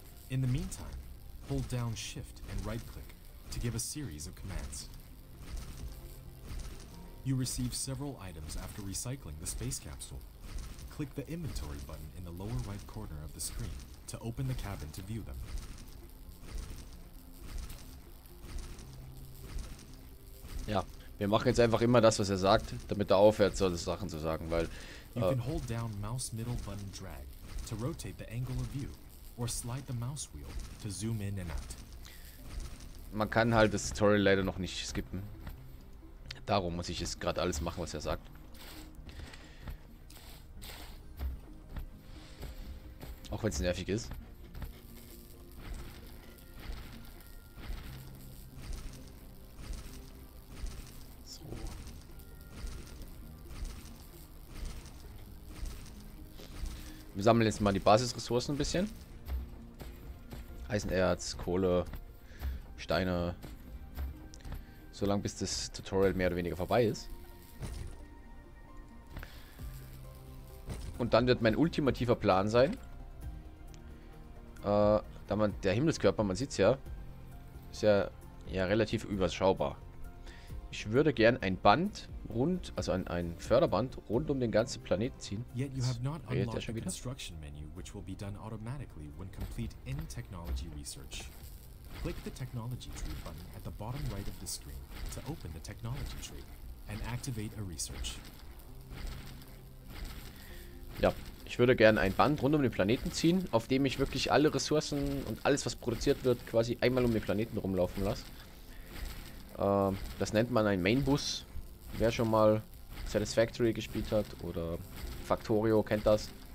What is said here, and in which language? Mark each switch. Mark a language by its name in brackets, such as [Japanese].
[English] In the meantime, hold down Shift and right-click to give a series of commands. You receive several items after recycling the space capsule. Click the inventory button in the lower right corner of the screen to open the cabin to view them. [German] Ja, wir machen jetzt einfach immer das, was sagt, damit aufhört, solche Sachen zu sagen, weil [English] you can hold down mouse middle button drag to rotate the angle of view or slide the mouse wheel to zoom in and out. [German] Man kann halt das Tutorial leider noch nicht skippen. Darum muss ich jetzt gerade alles machen, was sagt. Auch wenn es nervig ist. So. Wir sammeln jetzt mal die Basisressourcen ein bisschen. Eisenerz, Kohle, Steine. Solange bis das Tutorial mehr oder weniger vorbei ist. Und dann wird mein ultimativer Plan sein. Da man der Himmelskörper, man sieht es ja, ist ja relativ überschaubar. Ich würde gern ein Band rund, also ein Förderband rund um den ganzen Planeten ziehen. [English] Yet you have not unlocked the construction menu, which will be done automatically when complete any technology research. Click the technology tree button at the bottom right of the screen to open the technology tree and activate a research. [German] Ja, ich würde gern ein Band rund um den Planeten ziehen, auf dem ich wirklich alle Ressourcen und alles, was produziert wird, quasi einmal um den Planeten rumlaufen lasse. Das nennt man ein Mainbus. Wer schon mal Satisfactory gespielt hat oder Factorio kennt das.